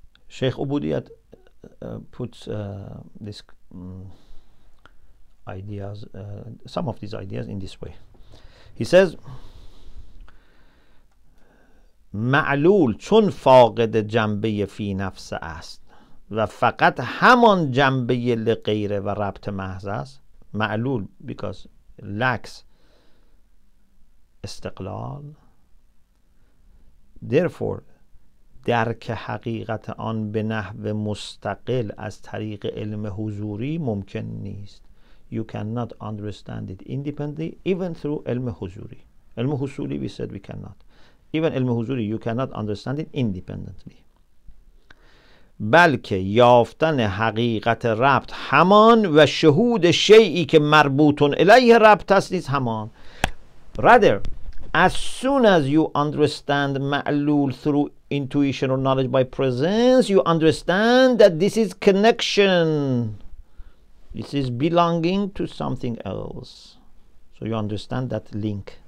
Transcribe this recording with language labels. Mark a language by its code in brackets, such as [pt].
[en] Sheikh Ubudiyat puts this ideas, some of these ideas in this way. He says, [fa] معلول چون فاقد جنبه فی نفس است و فقط همان جنبه لغیره و ربط محض است. [en] معلول because lacks استقلال. [fa] Therefore درک حقیقت آن به نحو مستقل از طریق علم حضوری ممکن نیست. [en] You cannot understand it independently even through علم حضوری. علم حصولی we said we cannot. Even علم حضوری you cannot understand it independently. [fa] بلکه یافتن حقیقت ربط همان و شهود شیئی که مربوطون الیه ربط است نیز همان. [en] Rather, as soon as you understand معلول through intuition or knowledge by presence, you understand that this is connection. This is belonging to something else. So you understand that link.